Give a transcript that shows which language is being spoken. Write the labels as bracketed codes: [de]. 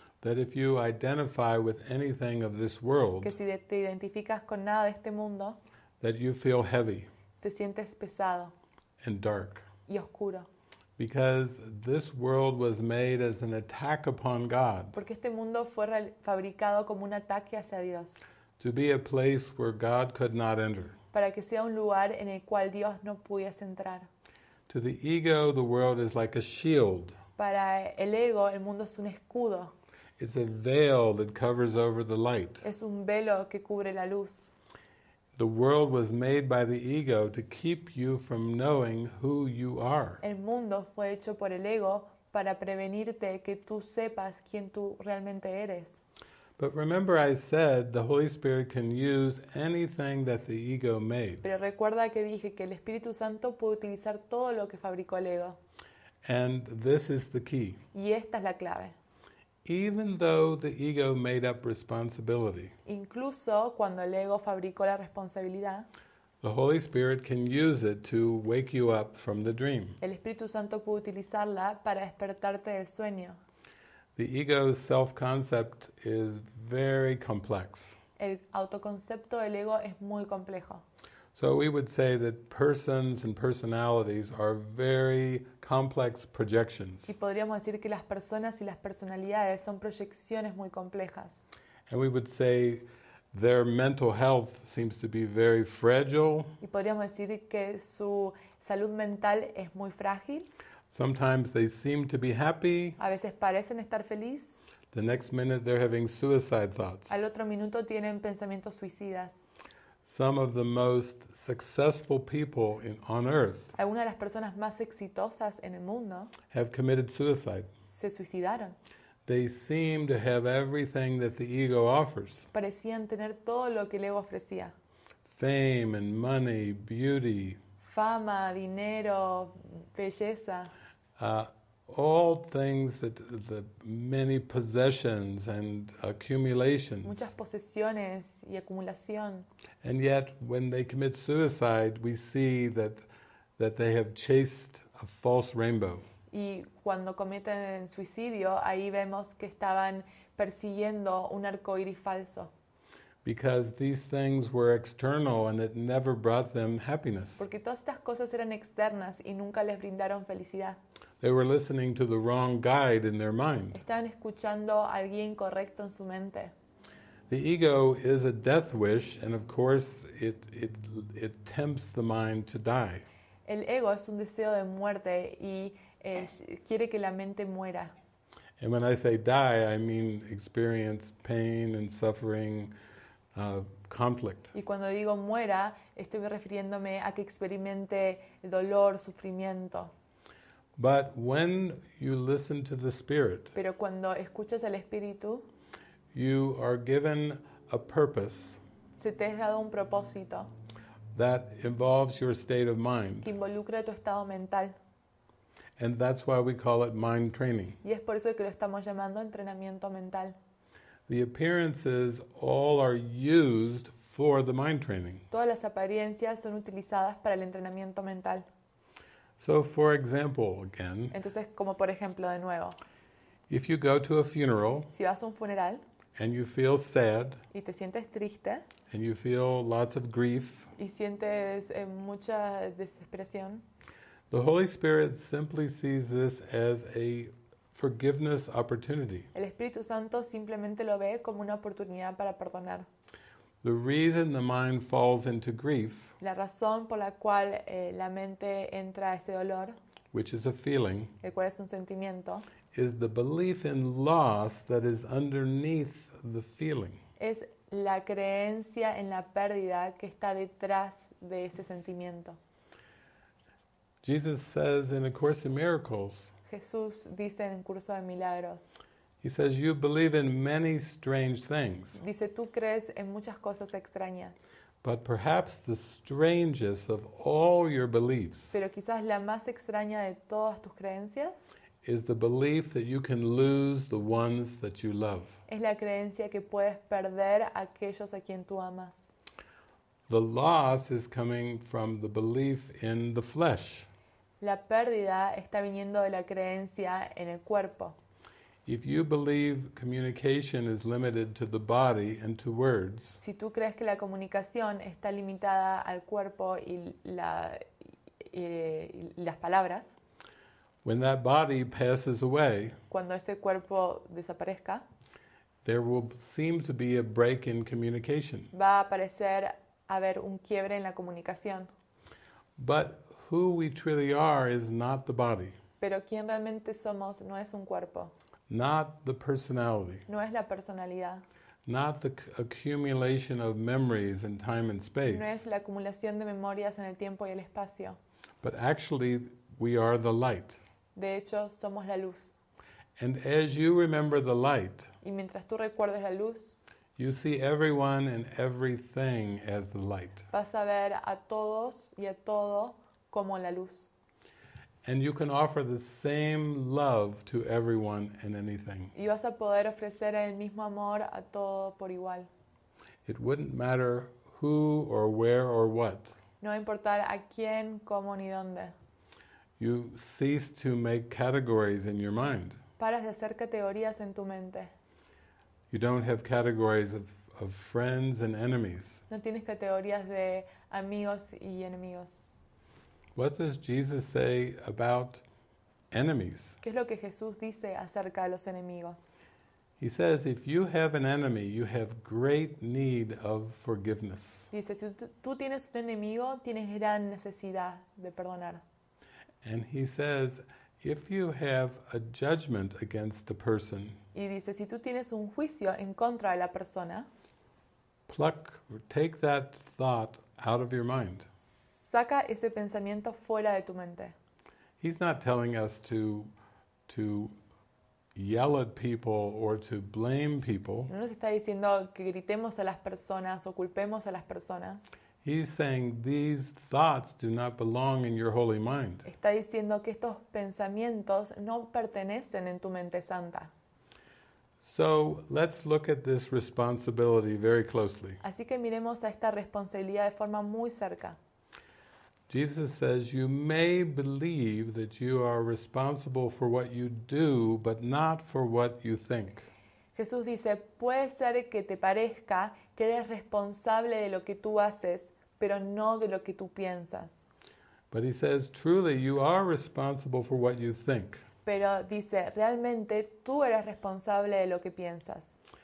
[en] That if you identify with anything of this world. [es] Que si te identificas con nada de este mundo. [en] That you feel heavy. [es] Te sientes pesado. [en] And dark. [es] Y oscuro. [en] Because this world was made as an attack upon God. [es] Porque este mundo fue fabricado como un ataque hacia Dios. [en] To be a place where God could not enter. [es] Para que sea un lugar en el cual Dios no pudiese entrar. [en] To the ego, the world is like a shield. [es] Para el ego, el mundo es un escudo. [en] It's a veil that covers over the light. [es] Es un velo que cubre la luz. [en] The world was made by the ego to keep you from knowing who you are. [es] El mundo fue hecho por el ego para prevenirte que tú sepas quién tú realmente eres. [en] But remember I said the Holy Spirit can use anything that the ego made. [es] Pero recuerda que dije que el Espíritu Santo puede utilizar todo lo que fabricó el ego. [en] And this is the key. [es] Y esta es la clave. [en] Even though the ego made up responsibility, [es] incluso cuando el ego fabricó la responsabilidad, [en] the Holy Spirit can use it to wake you up from the dream. [es] El Espíritu Santo puede utilizarla para despertarte del sueño. [en] The ego's self-concept is very complex. [es] El autoconcepto del ego es muy complejo. [en] So we would say that persons and personalities are very complex projections. [es] Y podríamos decir que las personas y las personalidades son proyecciones muy complejas. [en] And we would say their mental health seems to be very fragile. [es] Y podríamos decir que su salud mental es muy frágil. [en] Sometimes they seem to be happy. [es] A veces parecen estar feliz. [en] The next minute they're having suicide thoughts. [es] Al otro minuto tienen pensamientos suicidas. [en] Some of the most successful people on earth. [es] Algunas de las personas más exitosas en el mundo. [en] Have committed suicide. [es] Se suicidaron. [en] They seem to have everything that the ego offers. [es] Parecían tener todo lo que el ego ofrecía. [en] Fame and money, beauty. [es] Fama, dinero, belleza. [en] all things that the many possessions and accumulations. [es] Muchas posesiones y acumulación. [en] And yet, when they commit suicide, we see that they have chased a false rainbow. [es] Y cuando cometen suicidio, ahí vemos que estaban persiguiendo un arco iris falso. [en] Because these things were external and it never brought them happiness. [es] Porque todas estas cosas eran externas y nunca les brindaron felicidad. [en] They were listening to the wrong guide in their mind. [es] Estaban escuchando a alguien correcto en su mente. [en] The ego is a death wish, and of course it tempts the mind to die. [es] El ego es un deseo de muerte y quiere que la mente muera. [en] And when I say die, I mean experience pain and suffering. Conflict. [es] Y cuando digo muera, estoy refiriéndome a que experimente dolor, sufrimiento. [en] But when you listen to the spirit, [es] pero cuando escuchas al espíritu, [en] you are given a purpose. [es] Se te es dado un propósito. [en] That involves your state of mind. [es] Que involucra tu estado mental. [en] And that's why we call it mind training. [es] Y es por eso que lo estamos llamando entrenamiento mental. [en] The appearances all are used for the mind training. [es] Todas las apariencias son utilizadas para el entrenamiento mental. [en] So, for example, again. [es] Entonces, como por ejemplo, de nuevo. [en] If you go to a funeral. [es] Si vas a un funeral. [en] And you feel sad. [es] Y te sientes triste. [en] And you feel lots of grief. [es] Y sientes mucha desesperación. [en] The Holy Spirit simply sees this as a forgiveness opportunity. [es] El Espíritu Santo simplemente lo ve como una oportunidad para perdonar. [en] The reason the mind falls into grief, [es] la razón por la cual la mente entra a ese dolor, [en] which is a feeling, [es] el cual es un sentimiento, [en] is the belief in loss that is underneath the feeling. [es] Es la creencia en la pérdida que está detrás de ese sentimiento. [en] Jesus says in A Course in Miracles, [es] Jesús dice en el curso de milagros. [en] He says, "You believe in many strange things." [es] Dice, tú crees en muchas cosas extrañas. [en] But perhaps the strangest of all your beliefs. [es] Pero quizás la más extraña de todas tus creencias. [en] Is the belief that you can lose the ones that you love. [es] Es la creencia que puedes perder a aquellos a quien tú amas. [en] The loss is coming from the belief in the flesh. [es] La pérdida está viniendo de la creencia en el cuerpo. [en] If you believe communication is limited to the body and to words, [es] si tú crees que la comunicación está limitada al cuerpo y las palabras, [en] when that body passes away, [es] cuando ese cuerpo desaparezca, [en] there will seem to be a break in communication. [es] Va a parecer haber un quiebre en la comunicación. [en] But who we truly are is not the body. [es] Pero quién realmente somos no es un cuerpo. [en] Not the personality. [es] No es la personalidad. [en] Not the accumulation of memories in time and space. [es] No es la acumulación de memorias en el tiempo y el espacio. [en] But actually, we are the light. [es] De hecho, somos la luz. [en] And as you remember the light, [es] y mientras tú recuerdes la luz, [en] you see everyone and everything as the light. [es] Vas a ver a todos y a todo como la luz. [en] And you can offer the same love to everyone and anything. [es] Y vas a poder ofrecer el mismo amor a todo por igual. [en] It wouldn't matter who or where or what. [es] No va a importar a quién, cómo ni dónde. [en] You cease to make categories in your mind. [es] Paras de hacer categorías en tu mente. [en] You don't have categories of friends and enemies. [es] No tienes categorías de amigos y enemigos. [en] What does Jesus say about enemies? [es] ¿Qué es lo que Jesús dice acerca de los enemigos? [en] He says, if you have an enemy, you have great need of forgiveness. [es] Dice, si tú tienes un enemigo, tienes gran necesidad de perdonar. [en] And he says, if you have a judgment against the person, [es] y dice, si tú tienes un juicio en contra de la persona, [en] pluck, take that thought out of your mind. [es] Saca ese pensamiento fuera de tu mente. [en] He's not telling us to yell at people or to blame people. [es] No nos está diciendo que gritemos a las personas o culpemos a las personas. [en] He's saying these thoughts do not belong in your holy mind. [es] Está diciendo que estos pensamientos no pertenecen en tu mente santa. [en] So let's look at this responsibility very closely. [es] Así que miremos a esta responsabilidad de forma muy cerca. [en] Jesus says you may believe that you are responsible for what you do, but not for what you think. [es] Jesús dice, puede ser que te parezca que eres responsable de lo que tú haces, pero no de lo que tú piensas. [en] But he says, truly, you are responsible for what you think. [es] Pero dice, realmente tú eres responsable de lo que piensas.